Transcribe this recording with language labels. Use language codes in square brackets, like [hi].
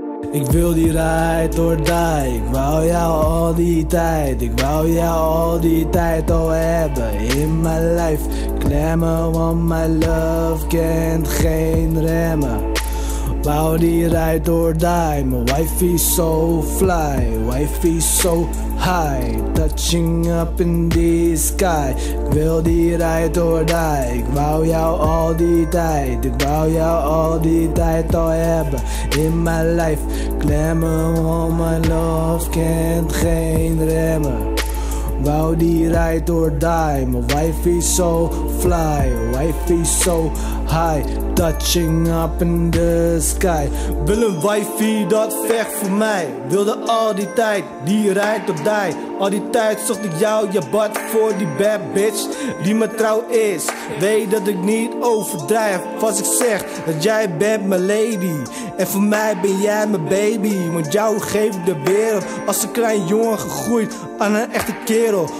[nl] Ik wil die [en] ride or die, [nl] ik wou jou al die tijd. Ik wou jou al die tijd al hebben in mijn life. Klemmen, want [en] my love [nl] kent geen remmen. Wou die [en] ride or die, my wife is so fly. Wife is so high, touching up in the sky. [nl] Ik wil die ride or die, ik wou jou al die tijd. Ik wou jou al die tijd al hebben in [en] my life. [nl] Klemmen, want [en] my love [nl] kent geen remmen. Wou die [en] ride or die, my wife is so fly. Wife is so high, touching up in the sky. [nl] Wil een wifey dat vecht voor mij. Wilde al die tijd, die [en] ride or die. [nl] Al die tijd zocht ik jou, je bad voor die [en] bad bitch [nl] die me trouw is. Weet dat ik niet overdrijf als ik zeg dat jij bent mijn lady. En voor mij ben jij mijn baby. Want jou geef ik de wereld als een klein jongen gegroeid aan een echte kerel.